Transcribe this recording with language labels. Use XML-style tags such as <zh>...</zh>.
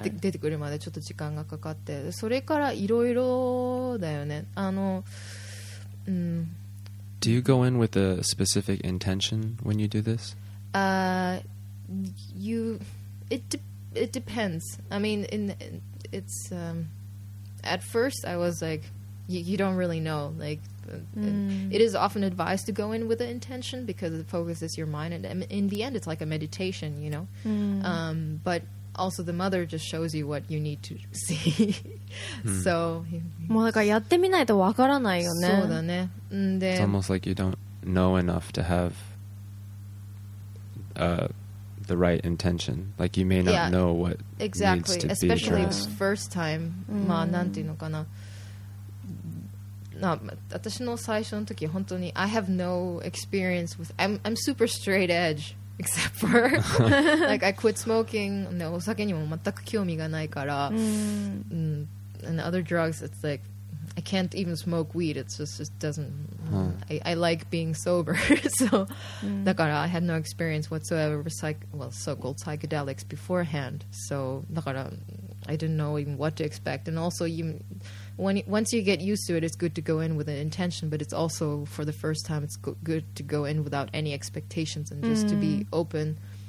<ja>出てくるまでちょっと時間がかかってそれからいろいろだよねあの、</ja> <en>Do you go in with a specific intention when you do this? It depends I mean it's at first I was like you don't really know like it is often advised to go in with an intention because it focuses your mind and in the end it's like a meditation you know but also the mother just shows you what you need to see so</en> <ja>もうだからやってみないとわからないよねそうだねで</ja> <en>It's almost like you don't know enough to have the right intention like you may not yeah, know what exactly, needs to be addressed exactly especially first time</en> <ja>まあなんていうのかな、私の最初の時本当に</ja> <en>I have no experience with I'm super straight edgeExcept for like I quit smoking. No,</en> <ja>お酒にも全く興味がないから。</ja> <en>And other drugs, it's like I can't even smoke weed. It just doesn't. I like being sober. So,</en> <ja>だから</ja> <en>I had no experience whatsoever with so-called psychedelics beforehand. So,</en> <ja>だから</ja> <en>I didn't know even what to expect. And also, once you get used to it, it's good to go in with an intention, but it's also, for the first time, it's good to go in without any expectations and just to be open.</en>